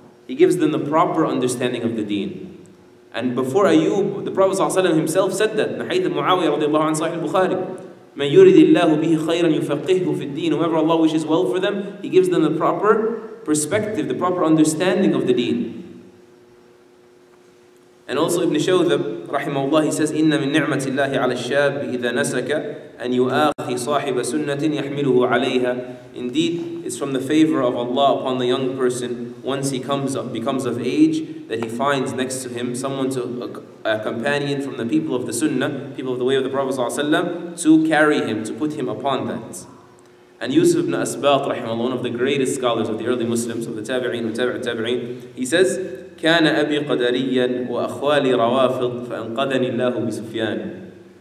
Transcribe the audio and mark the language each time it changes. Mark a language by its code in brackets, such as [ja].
[en] He gives them the proper understanding of the deen. And before Ayyub, the Prophet ﷺ himself said that, in Hadith Muawiyah radiallahu anhu, Sahih al-Bukhari, [ar] مَنْ يُرِدِ اللَّهُ بِهِ خَيْرًا يُفَقِّهُ فِي الدِّينِ. [en] Whoever Allah wishes well for them, He gives them the proper perspective, the proper understanding of the deen. And also Ibn Shawthab, rahimahullah, he says, [ar] إِنَّ مِنْ نِعْمَةِ اللَّهِ عَلَى الشَّابِ إِذَا نَسَكَ أَنْ يُؤَخِي صَاحِبَ سُنَّةٍ يَحْمِلُهُ عَلَيْهَا. [en] Indeed, it's from the favor of Allah upon the young person, once he becomes of age, that he finds next to him someone to a companion from the people of the Sunnah, people of the way of the Prophet ﷺ, to carry him, to put him upon that. And Yusuf ibn Asbat, rahimahullah, one of the greatest scholars of the early Muslims, of the Tabi'in, and Tabi'ut Tabi'in, he says, [ar] كان أبي قدريا وأخوالي روافض فأنقذني الله بسفيان.